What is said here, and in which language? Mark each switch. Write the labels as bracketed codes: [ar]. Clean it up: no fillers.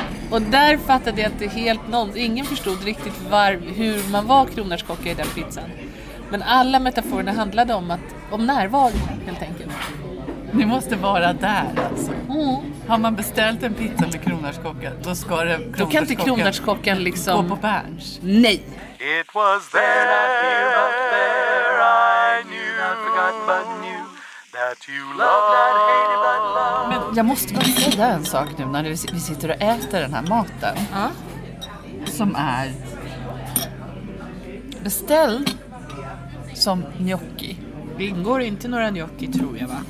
[sv] Och där fattade jag inte helt någon. Ingen förstod riktigt hur man var kronärtskocka i den pizzan. Men alla metaforerna handlade om närvaro, helt enkelt. Ni måste vara där, alltså. Har man beställt en pizza med kronärtskocka, då ska det kronärtskocka. Då kan inte kronärtskockan liksom gå på Berns. Nej. [en] It was there, there I knew, not forgotten but knew. Love. [sv] Men jag måste bara säga en sak nu när vi sitter och äter den här maten. Som är beställd som gnocchi. Det ingår inte några gnocchi, tror jag, va?